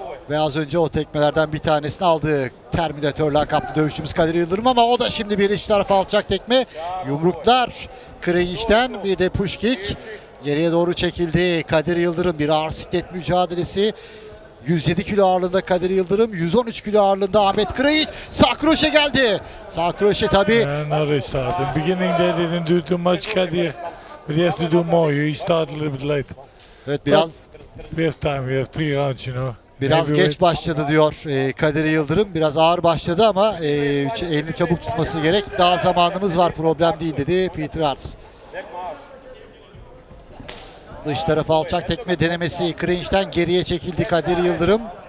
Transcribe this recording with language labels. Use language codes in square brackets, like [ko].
[tr] Ve az önce o tekmelerden bir tanesini aldı Terminator lakaplı dövüşçümüz Kadir Yıldırım, ama o da şimdi bir iç tarafa alçak tekme. Yumruklar Kırınç'ten, bir de push kick. Geriye doğru çekildi Kadir Yıldırım. Bir ağır siklet mücadelesi. 107 kilo ağırlığında Kadir Yıldırım, 113 kilo ağırlığında Ahmet Kırınç. Sağ kroşe geldi. Sağ kroşe tabii. Neredeyse. [en] The beginning they didn't do too much Kadir. But he has to do more. He started a little bit late. [tr] Evet biraz. [en] We have time. We have three rounds, you know. [tr] Biraz geç başladı diyor Kadir Yıldırım. Biraz ağır başladı ama elini çabuk tutması gerek. Daha zamanımız var, problem değil dedi Peter Arts. Dış tarafı alçak tekme denemesi. Kırınç'tan geriye çekildi Kadir Yıldırım.